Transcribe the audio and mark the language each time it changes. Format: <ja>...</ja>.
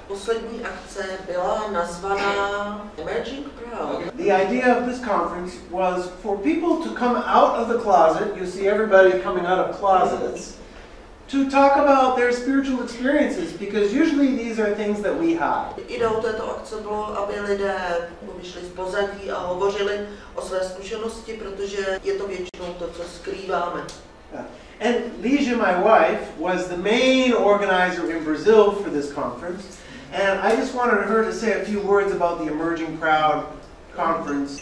<cs>Poslední akce byla nazvaná Emerging Proud.</cs> <en>The idea of this conference was for people to come out of the closet, you see everybody coming out of closets, to talk about their spiritual experiences, because usually these are things that we hide.</en> <cs>Ideou této akce bylo, aby lidé vyšli z pozadí a hovořili o své zkušenosti, protože je to většinou to, co skrýváme.</cs> <en>And Lígia, my wife, was the main organizer in Brazil for this conference. And I just wanted her to say a few words about the Emerging Proud conference.</en>